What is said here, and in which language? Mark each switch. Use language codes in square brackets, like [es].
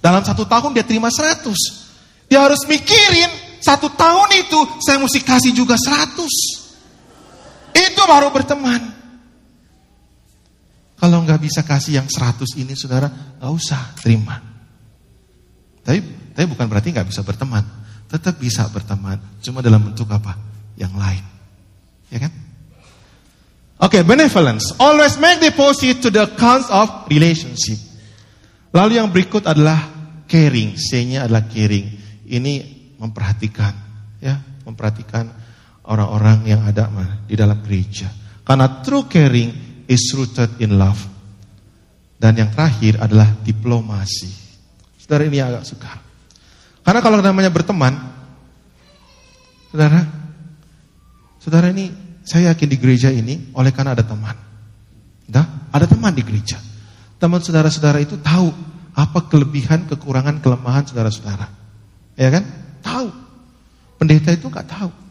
[id] Dalam 1 tahun dia terima 100. Dia harus mikirin, 1 tahun itu saya mesti kasih juga 100. Itu baru berteman. Kalau gak bisa kasih yang 100 ini, saudara, gak usah terima. Tapi bukan berarti gak bisa berteman. Tetap bisa berteman, cuma dalam bentuk apa? Yang lain. Ya kan? Okay, benevolence. [en] Always make deposit to the accounts of relationship. [id] Lalu yang berikut adalah caring. C-nya adalah caring. Ini memperhatikan, ya, memperhatikan orang-orang yang ada di dalam gereja. [en] Karena true caring is rooted in love. [id] Dan yang terakhir adalah diplomasi. Saudara, ini agak sukar. Karena kalau namanya berteman, saudara ini, saya yakin di gereja ini, oleh karena ada teman. Nah, ada teman di gereja. Teman saudara-saudara itu tahu apa kelebihan, kekurangan, kelemahan saudara-saudara. Ya kan? Tahu. Pendeta itu gak tahu.